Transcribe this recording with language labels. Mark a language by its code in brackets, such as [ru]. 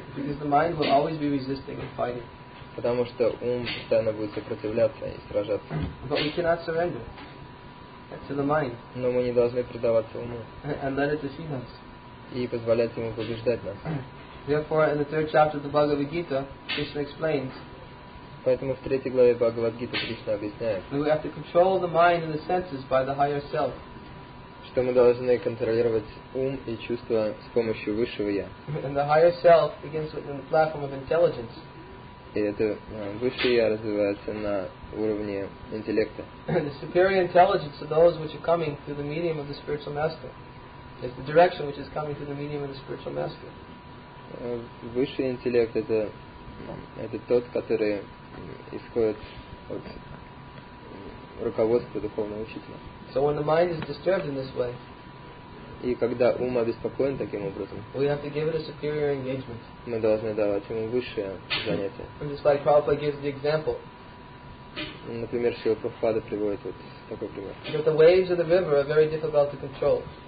[en] Because the mind will always be resisting and fighting. [ru] Потому что ум постоянно будет сопротивляться и сражаться. [en] But we cannot surrender to the mind. [ru] Но мы не должны предаваться уму. [en] And let it deceive us. [ru] И позволять ему побеждать нас. [en] Therefore, in the third chapter of the Bhagavad Gita, Krishna explains. [ru] Поэтому в третьей главе Бхагавад Гиты Кришна объясняет. [en] We have to control the mind and the senses by the higher self. [ru] Что мы должны контролировать ум и чувства с помощью высшего я. [en] And the higher self begins within the platform of intelligence. [ru] И это высшее я развивается на уровне интеллекта. [en] The superior intelligence of those which are coming through the medium of the spiritual master. It's the direction which is coming through the medium of the spiritual master. [ru] Высший интеллект это тот, который исходит от руководства духовного учителя. [en] So when the mind is disturbed in this way, [ru] и когда ум обеспокоен таким образом, [en] we have to give it a superior engagement. [ru] Мы должны давать ему высшее занятие. [en] And just like Prabhupada gives the example. [ru] Например, Шрила Прабхупада приводит вот такой пример. [en] That the waves of the river are very difficult to control.